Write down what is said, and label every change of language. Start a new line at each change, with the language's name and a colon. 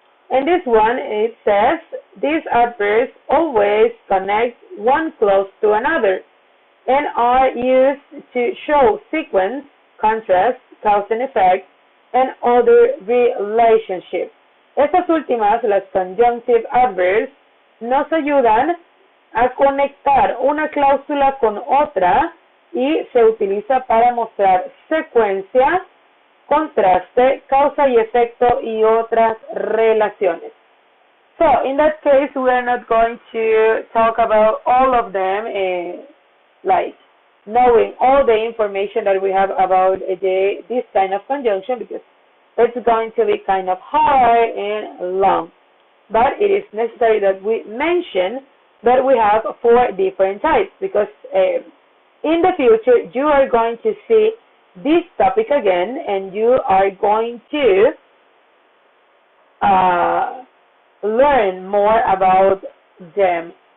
English: And this one, it says, these adverbs always connect one clause to another. and are used to show sequence, contrast, cause and effect, and other relationships.
Spanish: Estas últimas, las conjunctive adverbs, nos ayudan a conectar una cláusula con otra y se utiliza para mostrar secuencia, contraste, causa y efecto y otras relaciones.
English: So, in that case, we are not going to talk about all of them, like knowing all the information that we have about this kind of conjunction, because it's going to be kind of hard and long. But it is necessary that we mention that we have four different types, because in the future, you are going to see this topic again, and you are going to learn more about them.